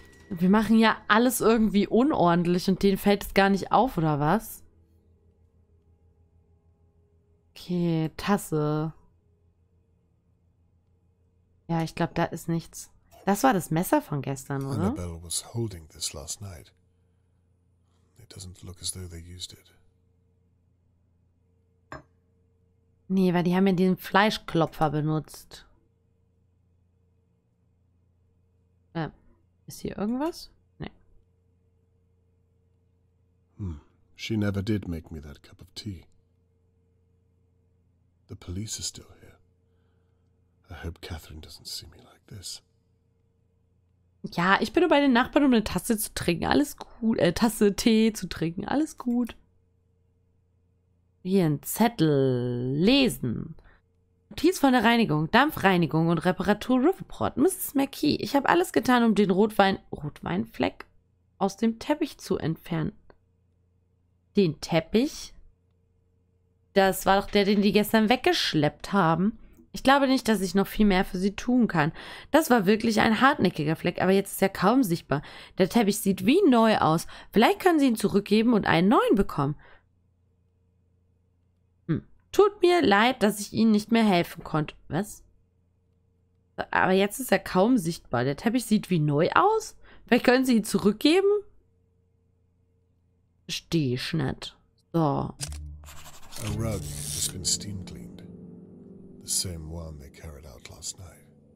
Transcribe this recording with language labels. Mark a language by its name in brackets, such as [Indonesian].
[German] Wir machen ja alles irgendwie unordentlich und denen fällt es gar nicht auf, oder was? Okay, Tasse. Ja, ich glaube, da ist nichts. Das war das Messer von gestern, oder? [English] Annabelle was holding this last night. It doesn't look as though they used it. [German] Nee, weil die haben ja diesen Fleischklopfer benutzt. Ist hier irgendwas? Nee. Hm. [English] She never did make me that cup of tea. The police is still here. I hope Catherine doesn't see me like this. [German] Ja, ich bin nur bei den Nachbarn, um eine Tasse zu trinken. Alles gut. Tasse Tee zu trinken. Alles gut. Hier ein Zettel. Lesen. Notiz von der Reinigung, Dampfreinigung und Reparatur Riverport. Mrs. McKee, ich habe alles getan, um den Rotweinfleck aus dem Teppich zu entfernen. Den Teppich? Das war doch der, den die gestern weggeschleppt haben. Ich glaube nicht, dass ich noch viel mehr für sie tun kann. Das war wirklich ein hartnäckiger Fleck, aber jetzt ist er kaum sichtbar. Der Teppich sieht wie neu aus. Vielleicht können sie ihn zurückgeben und einen neuen bekommen. Tut mir leid, dass ich Ihnen nicht mehr helfen konnte. Was? Aber jetzt ist er kaum sichtbar. Der Teppich sieht wie neu aus. Vielleicht können Sie ihn zurückgeben? Steh Schnitt. So. [English] A rug has been steam cleaned. The same one they carried out last night.